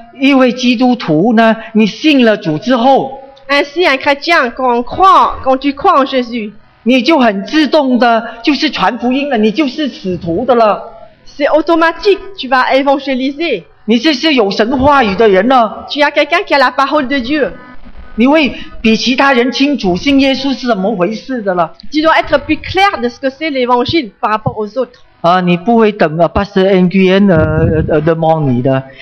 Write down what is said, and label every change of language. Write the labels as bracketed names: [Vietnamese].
[Chinese] 因为基督徒呢，你信了主之后 [French] ，Ainsi un chrétien quand tu crois en Jésus， [Chinese] 你就很自动的，就是传福音了，你就是使徒的了。 [French] C'est automatique, tu vas évangéliser。 [Chinese] 你这是有神话语的人了。 [French] Tu as quelqu'un qui a la parole de Dieu。 [Chinese] 你会比其他人清楚信耶稣是怎么回事的了。 [French] Tu dois être plus clair de ce que c'est l'évangile par rapport aux autres。 [Chinese] 啊，你不会等啊 ， [French] Pasteur Nguyen demande [Chinese] 你的。